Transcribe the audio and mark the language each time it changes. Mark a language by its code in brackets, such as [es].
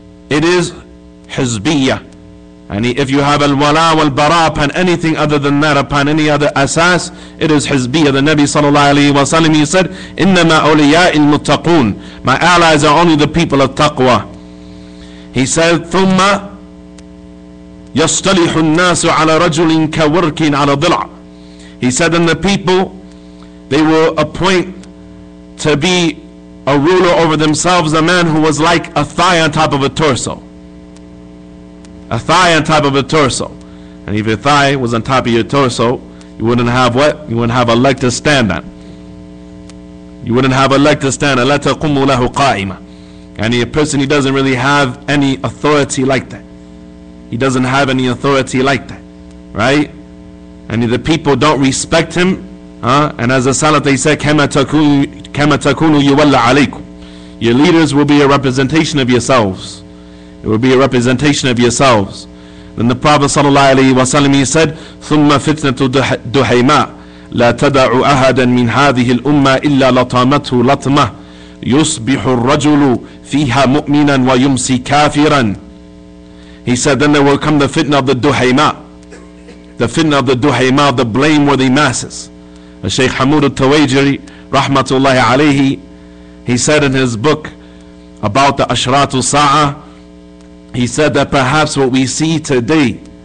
[en] It is hizbiyya. And if you have al-wala wal-bara upon anything other than that, upon any other asas, it is hizbiyya. The Nabi sallallahu alayhi wa sallam, he said, [ar] innama awliya'il muttaqoon. [en] My allies are only the people of taqwa. He said, [ar] thumma يصطلح الناس على رجل كورك على ضلع. [en] He said, and the people, they will appoint to be a ruler over themselves a man who was like a thigh on top of a torso. A thigh on top of a torso. And if your thigh was on top of your torso, you wouldn't have what? You wouldn't have a leg to stand on. You wouldn't have a leg to stand on. [ar] لا تقوم له قائمة. [en] And a person, he doesn't really have any authority like that. He doesn't have any authority like that, right? And the people don't respect him, huh? And as a salat, they say, [ar] كَمَا تَكُونُ يُوَلَّ عَلَيْكُمْ. [en] Your leaders will be a representation of yourselves. It will be a representation of yourselves. Then the Prophet sallallahu alayhi wa sallam, he said, [ar] ثُمَّ فِتْنَةُ دُحَيْمَا لَا تَدَعُ أَهَدًا مِنْ هَذِهِ الْأُمَّةِ إِلَّا لَطَامَتُهُ لَطْمَةٌ يُصْبِحُ الرَّجُلُ فِيهَا مُؤْمِنًا وَيُمْسِي كَافِرًا. [en] He said, then there will come the fitna of the duhayma. The fitna of the duhayma, the blameworthy masses. And Shaykh Hamoud al-Tawajiri, rahmatullahi alayhi, he said in his book about the Ashratu Sa'a, he said that perhaps what we see today,